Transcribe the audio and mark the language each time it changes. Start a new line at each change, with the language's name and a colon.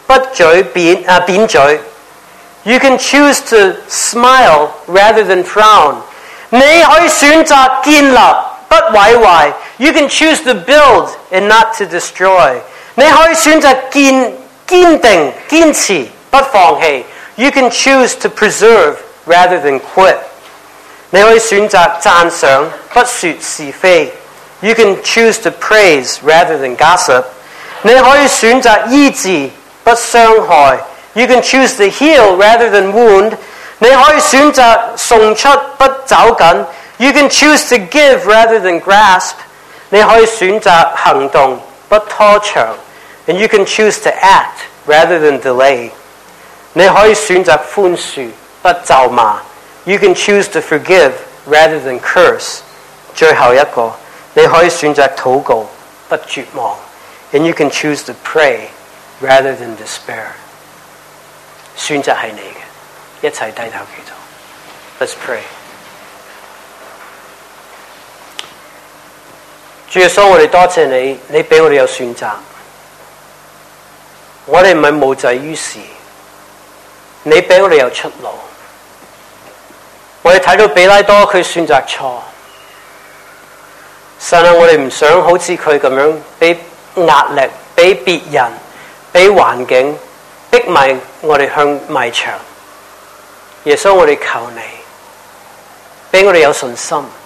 Chinese: 你可以选择心笑，不嘴扁嘴。
English: You can choose to smile rather than frown.
Chinese: 你可以选择建立，不毁坏。
English: You can choose to build and not to destroy.
Chinese: 你可以选择坚定，坚持，不放弃。
English: You can choose to preserve rather than quit.
Chinese: 你可以选择赞赏，不说是非。
English: You can choose to praise rather than gossip.
Chinese: 你可以选择医治，不伤害。
English: You can choose to heal rather than wound.
Chinese: 你可以选择送出，不走紧。
English: You can choose to give rather than grasp.
Chinese: 你可以选择行动，不拖长。
English: And you can choose to act rather than delay.
Chinese: 你可以选择宽恕，不咒骂。
English: You can choose to forgive rather than curse.
Chinese: 最后一个，你可以选择祷告，不绝望。
English: And you can choose to pray rather than despair.
Chinese: 选择是你的，一起低头祈祷。
English: Let's pray.
Chinese: 主耶稣，我们多谢你，你给我们有选择。我们不是无罪于事，你给我们有出路。我们看到比拉多他选择错，神啊，我们不想好像他这样被压力，被别人，被环境逼我们向外墙。耶稣，我们求你，给我们有信心。